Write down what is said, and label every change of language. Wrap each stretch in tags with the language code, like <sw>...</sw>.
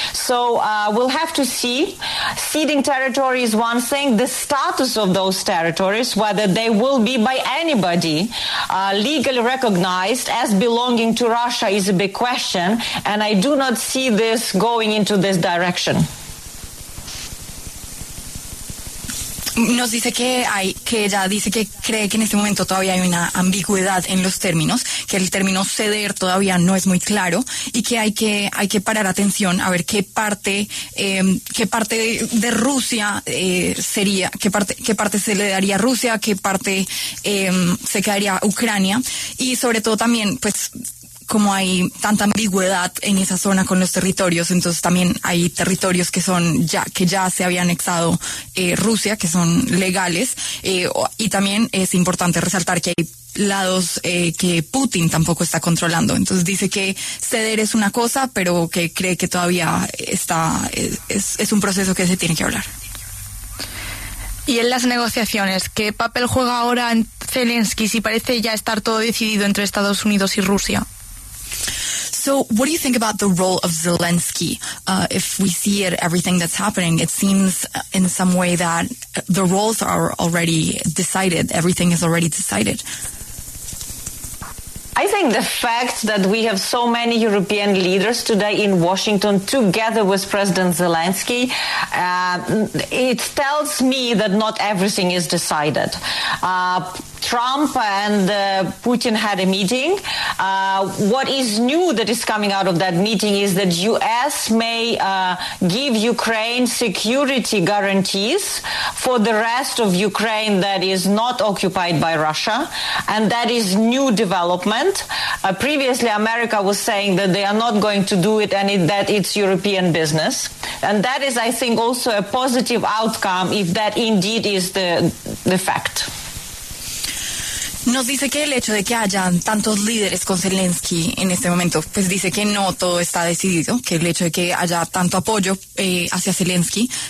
<en>So we'll have to see. Ceding territory is one thing. The status of those territories, whether they will be by anybody legally recognized as belonging to Russia, is a big question. And I do not see this going into this direction.</en> <es>Nos dice que ella dice que cree que en este momento todavía hay una ambigüedad en los términos, que el término ceder todavía no es muy claro y que hay que parar atención a ver qué parte se le daría a Rusia, qué parte se quedaría a Ucrania y sobre todo también pues como hay tanta ambigüedad en esa zona con los territorios, entonces también hay territorios que ya se había anexado Rusia, que son legales, y también es importante resaltar que hay lados que Putin tampoco está controlando. Entonces dice que ceder es una cosa, pero que cree que todavía es un proceso que se tiene que hablar. Y en las negociaciones, ¿qué papel juega ahora Zelensky si parece ya estar todo decidido entre Estados Unidos y Rusia?</es> <en>So what do you think about the role of Zelensky? If we see it, everything that's happening, it seems in some way that the roles are already decided. Everything is already decided. I think the fact that we have so many European leaders today in Washington together with President Zelensky, it tells me that not everything is decided. Trump and Putin had a meeting. What is new that is coming out of that meeting is that U.S. may give Ukraine security guarantees for the rest of Ukraine that is not occupied by Russia. And that is new development. Previously, America was saying that they are not going to do it and that it's European business. And that is, I think, also a positive outcome if that indeed is the fact.</en> <es>Nos dice que el hecho de que hayan tantos líderes con Zelensky en este momento, pues dice que no todo está decidido, que el hecho de que haya tanto apoyo hacia Zelensky,</es>